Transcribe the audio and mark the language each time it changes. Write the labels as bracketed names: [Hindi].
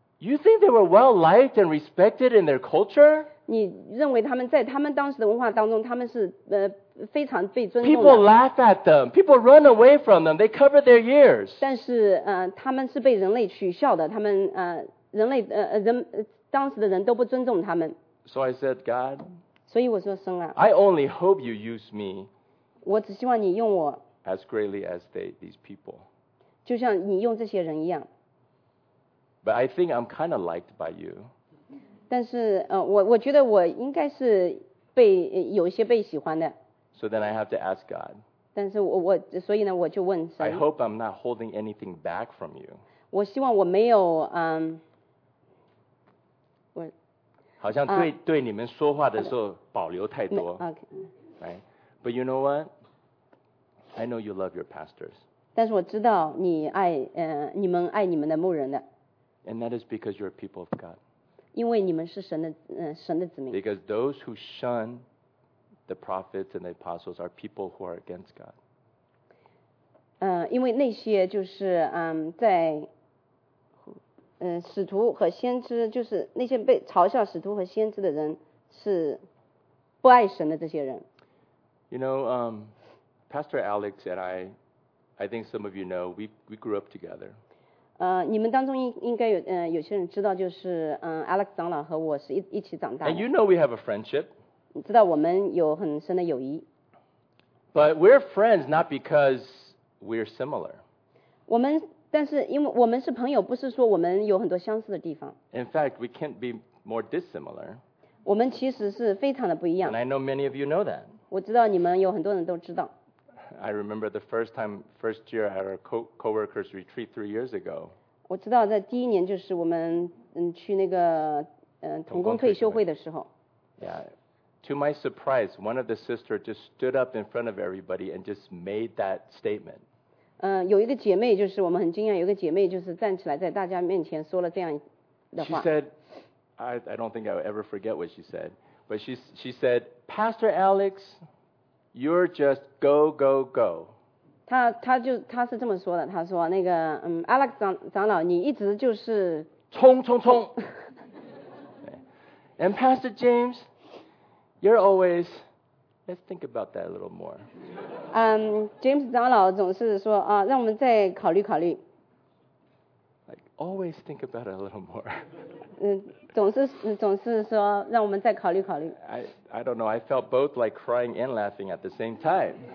[English] You think they were well liked and respected in their culture? [Chinese] 你认为他们在他们当时的文化当中，他们是非常被尊重的。 [English] People laugh at them. People run away from them. They cover their ears. [Chinese] 但是，他们是被人类取笑的。他们，人类，人当时的人都不尊重他们。 [English] So I said, God. [Chinese] 所以我说神啊。 [English] I only hope you use me. [Chinese] 我只希望你用我。 [English] As greatly as these people. [Chinese] 就像你用这些人一样。 [English] But I think I'm kind of liked by you. [Chinese] 但是，我觉得我应该是被有一些被喜欢的。 [English] So then I have to ask God. [Chinese] 但是所以呢，我就问神。 [English] I hope I'm not holding anything back from you. [Chinese] 我希望我没有好像对你们说话的时候保留太多。 [English] Okay. Right. But you know what? I know you love your pastors. [Chinese] 但是我知道你爱你们爱你们的牧人的。 [English] And that is because you're a people of God. [Chinese] 因为你们是神的，神的子民。 [English] Because those who shun the prophets and the apostles are people who are against God. [Chinese] 因为那些就是在使徒和先知，就是那些被嘲笑使徒和先知的人是不爱神的这些人。 [English] You know, Pastor Alex and I think some of you know, we grew up together. [Chinese] 你们当中应该有些人知道，就是Alex 长老和我是一起长大的。 [English] And you know we have a friendship. [Chinese] 你知道我们有很深的友谊。 [English] But we're friends not because we're similar. [Chinese] 我们但是因为我们是朋友，不是说我们有很多相似的地方。 [English] In fact, we can't be more dissimilar. [Chinese] 我们其实是非常的不一样。 [English] And I know many of you know that. [Chinese] 我知道你们有很多人都知道。 [English] I remember the first year at our co-workers retreat 3 years ago. [Chinese] 我知道在第一年就是我们去那个同工退休会的时候。 [English] Yeah. To my surprise, one of the sisters just stood up in front of everybody and just made that statement. [Chinese] 有一个姐妹就是我们很惊讶，有一个姐妹就是站起来在大家面前说了这样的话。 [English] She said, I don't think I will ever forget what she said, but she said, Pastor Alex,You're just go, go, go. [Chinese] 他是这么说的，他说那个Alex 长老你一直就是冲冲冲。 [English] And Pastor James, you're always, let's think about that a little more. [Chinese] James 长老总是说啊，让我们再考虑考虑。 [English] Like, always think about it a little more. [Chinese] 总是说让我们再考虑考虑。 [English] I don't know, I felt both like crying and laughing at the same time.